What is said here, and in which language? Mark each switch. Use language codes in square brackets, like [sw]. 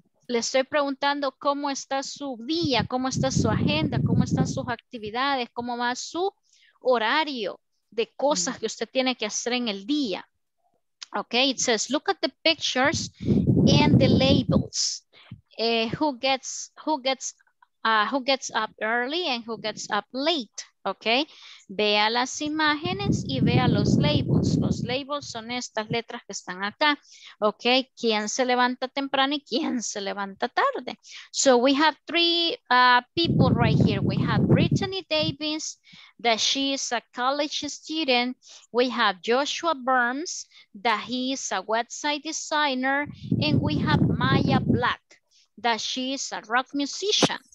[es] Le estoy preguntando cómo está su día, cómo está su agenda, cómo están sus actividades, cómo va su horario de cosas que usted tiene que hacer en el día. [en] Ok, it says, look at the pictures and the labels. Who gets up early and who gets up late. [es] Ok, vea las imágenes y vea los labels. Los labels son estas letras que están acá. Ok, ¿quién se levanta temprano y quién se levanta tarde? [en] So we have three people right here. We have Brittany Davis, that she is a college student. We have Joshua Burns, that he is a website designer. And we have Maya Black, that she is a rock musician.